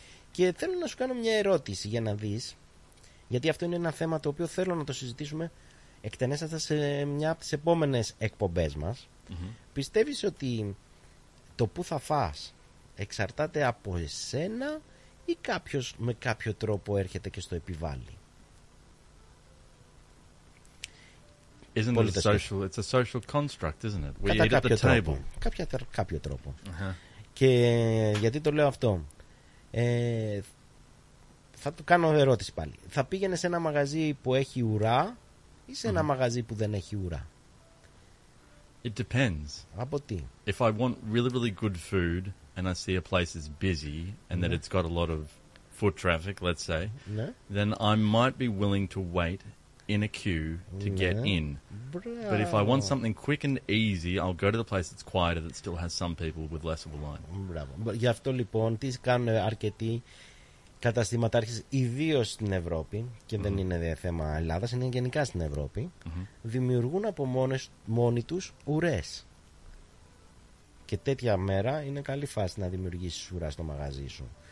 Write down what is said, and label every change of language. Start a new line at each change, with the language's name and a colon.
Greek: Και θέλω να σου κάνω μια ερώτηση για να δεις, γιατί αυτό είναι ένα θέμα το οποίο θέλω να το συζητήσουμε εκτενέστατα σε μια από τις επόμενες εκπομπές μας. Mm-hmm. Πιστεύεις ότι το που θα φας εξαρτάται από εσένα ή κάποιος με κάποιο τρόπο έρχεται και στο επιβάλλει?
English: Isn't it a social, it's a social construct, isn't it? We eat at the table.
Greek: Κάποιο τρόπο. Uh-huh. Και γιατί το λέω αυτό? θα του κάνω ερώτηση πάλι. Θα πήγαινε σε ένα μαγαζί που έχει ουρά ή σε ένα μαγαζί που δεν έχει ουρά?
English: It depends.
Greek: Από τι?
English: If I want really, really good food and I see a place is busy and that it's got a lot of foot traffic, let's say, then I might be willing to wait in a queue to get in. Bravo. But if I want something quick and easy, I'll go to the place that's quieter that still has some people with less of a line. Bravo.
Greek: Γι' αυτό λοιπόν, τι κάνουν αρκετοί καταστηματάρχες, ιδίως στην Ευρώπη, και δεν είναι θέμα Ελλάδας, είναι γενικά στην Ευρώπη, δημιουργούν από μόνοι τους ουρές. Και τέτοια μέρα είναι καλή φάση να δημιουργήσεις ουρά στο μαγαζί σου.